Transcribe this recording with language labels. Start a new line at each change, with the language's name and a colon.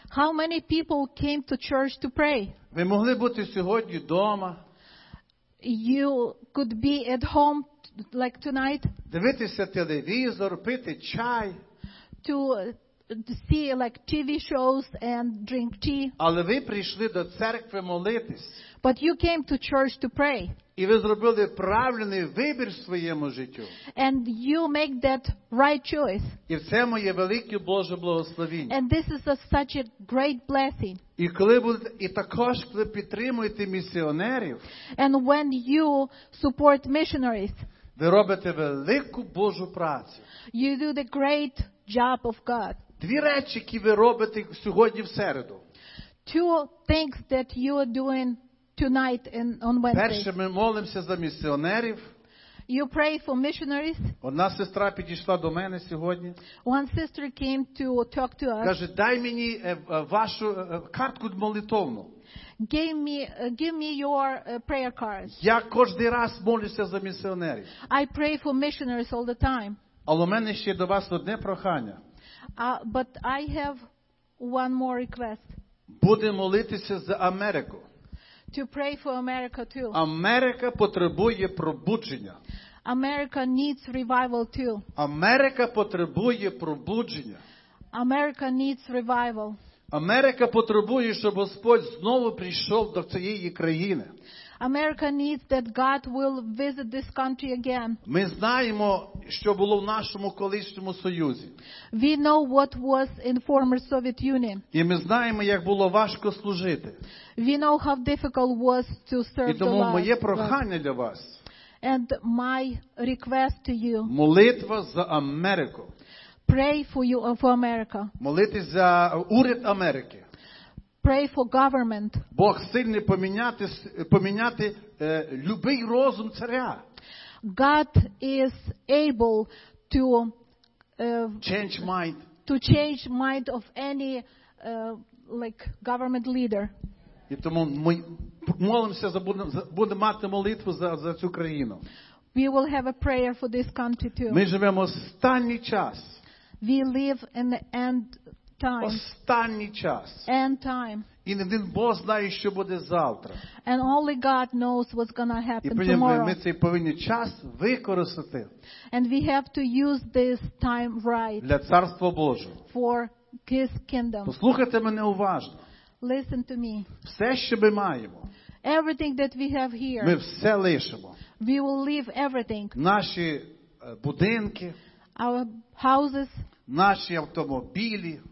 English: How many people came to church to pray?
Ukrainian: Ви могли бути сьогодні вдома.
English: You could be at home like tonight.
Ukrainian: Дивитися телевізор, пити чай.
English: To see like TV shows and drink tea.
Ukrainian: Але ви прийшли до церкви молитись.
English: But you came to church to pray.
Ukrainian: І ви зробили правильний вибір своєму життю.
English: And you make that right choice.
Ukrainian: І це моє велике Боже благословення.
English: And this is such a great blessing.
Ukrainian: І коли будете, і також коли підтримуєте місіонерів.
English: And when you support missionaries.
Ukrainian: Ви робите велику Божу працю.
English: You do the great job of God.
Ukrainian: Дві речі, які ви робите сьогодні в середу.
English: Two things that you are doing tonight and on Wednesday.
Ukrainian: Перше, ми молимося за місіонерів.
English: You pray for missionaries.
Ukrainian: Одна сестра підійшла до мене сьогодні.
English: One sister came to talk to us.
Ukrainian: Каже, дай мені вашу картку молитовну.
English: Give me your prayer card.
Ukrainian: Я кожен раз молюся за місіонерів.
English: I pray for missionaries all the time.
Ukrainian: Але у мене ще до вас одне прохання.
English: But I have one more request.
Ukrainian: Будемо молитися за Америку.
English: To pray for America too.
Ukrainian: Америка потребує пробудження.
English: America needs revival too.
Ukrainian: Америка потребує пробудження.
English: America needs revival.
Ukrainian: Америка потребує, щоб Господь знову прийшов до цієї країни.
English: America needs that God will visit this country again.
Ukrainian: Ми знаємо, що було в нашому колишньому Союзі.
English: We know what was in former Soviet Union.
Ukrainian: І ми знаємо, як було важко служити.
English: We know how difficult was to serve the Lord.
Ukrainian: І тому моє прохання для вас.
English: And my request to you.
Ukrainian: Молитва за Америку.
English: Pray for you for America.
Ukrainian: Молитись за уряд Америки.
English: Pray for government.
Ukrainian: Бог сильний поміняти любий розум царя.
English: God is able to change mind. To change mind of any like government leader.
Ukrainian: І тому ми молимося за буде мати молитву за цю країну.
English: We will have a prayer for this country too.
Ukrainian: Ми живемо останній час.
English: We live in the end time.
Ukrainian: Останній час.
English: End time.
Ukrainian: І один Бог знає, що буде завтра.
English: And only God knows what's going to happen tomorrow.
Ukrainian: І ми цей повинні час використати.
English: And we have to use this time right.
Ukrainian: Для царства Божого.
English: For His kingdom.
Ukrainian: Послухайте мене уважно.
English: Listen to me.
Ukrainian: Все, що ми маємо.
English: Everything that we have here.
Ukrainian: Ми все лишимо.
English: We will leave everything.
Ukrainian: Наші будинки.
English: Our houses,
Ukrainian: наші автомобілі,